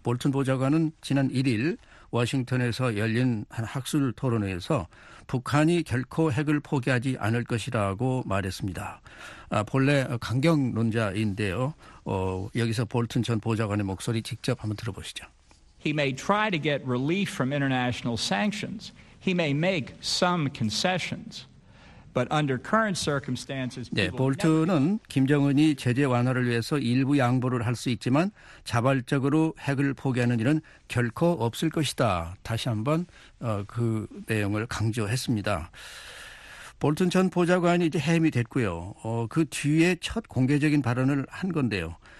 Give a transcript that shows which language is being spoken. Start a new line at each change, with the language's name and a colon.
Korean: 볼튼 보좌관은 지난 1일 워싱턴에서 열린 한 학술 토론회에서 북한이 결코 핵을 포기하지 않을 것이라고 말했습니다. 본래 강경론자인데요. 여기서 볼튼 전 보좌관의 목소리 직접 한번 들어보시죠.
English: He may try to get relief from international sanctions. He may make some concessions. But under current circumstances,
Korean: 네, 볼튼은 김정은이 제재 완화를 위해서 일부 양보를 할 수 있지만 자발적으로 핵을 포기하는 일은 결코 없을 것이다. 다시 한번 그 내용을 강조했습니다. 볼튼 전 보좌관이 이제 해임이 됐고요. 그 뒤에 첫 공개적인 발언을 한 건데요.